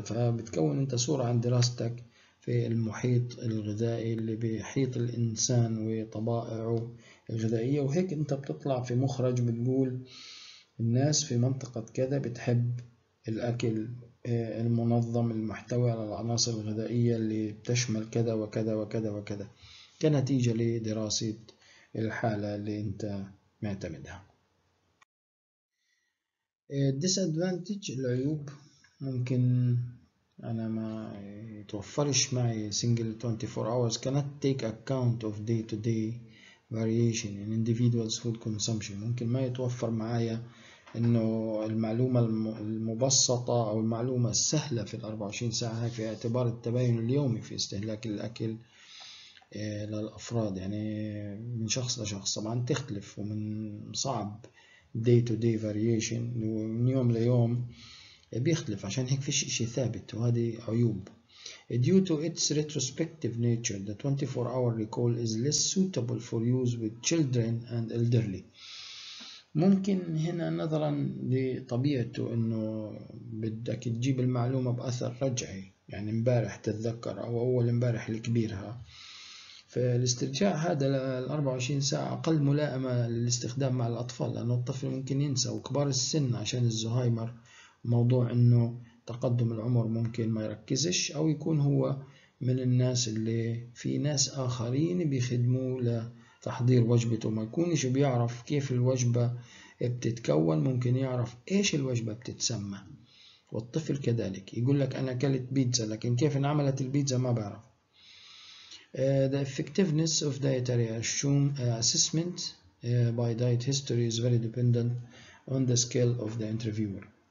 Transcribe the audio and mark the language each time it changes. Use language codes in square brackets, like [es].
[ar] فبتكون أنت صورة عن دراستك في المحيط الغذائي اللي بيحيط الإنسان وطبائعه الغذائية، وهيك أنت بتطلع في مخرج بتقول الناس في منطقة كذا بتحب الأكل المنظم المحتوي على العناصر الغذائية اللي بتشمل كذا وكذا وكذا وكذا، كنتيجة لدراسة الحالة اللي انت معتمدها. [en] Disadvantage [ar] العيوب: ممكن انا ما يتوفرش معي [en] single 24 hours cannot take account of day to day variation in individuals food consumption. [ar] ممكن ما يتوفر معايا انه المعلومة المبسطة او المعلومة السهلة في ال 24 ساعة هاي في اعتبار التباين اليومي في استهلاك الاكل للافراد، يعني من شخص لشخص طبعا تختلف، ومن صعب [en] day to day variation [ar] ومن يوم ليوم بيختلف، عشان هيك فيش اشي ثابت وهذه عيوب. [en] Due to its retrospective nature the 24 hour recall is less suitable for use with children and elderly. [ar] ممكن هنا نظرا لطبيعته انه بدك تجيب المعلومة بأثر رجعي، يعني امبارح تتذكر او اول امبارح الكبيرها، فالاسترجاع هذا ال 24 ساعة اقل ملائمة للاستخدام مع الاطفال، لانه الطفل ممكن ينسى، وكبار السن عشان الزهايمر موضوع انه تقدم العمر ممكن ما يركزش، او يكون هو من الناس اللي في ناس اخرين بيخدموه له تحضير وجبته، وما يكونش بيعرف كيف الوجبة بتتكون، ممكن يعرف ايش الوجبة بتتسمى. والطفل كذلك يقول لك انا اكلت بيتزا لكن كيف انعملت البيتزا ما بعرف. [en] The effectiveness of dietary assessment by diet history is very dependent on the skill of the interviewer.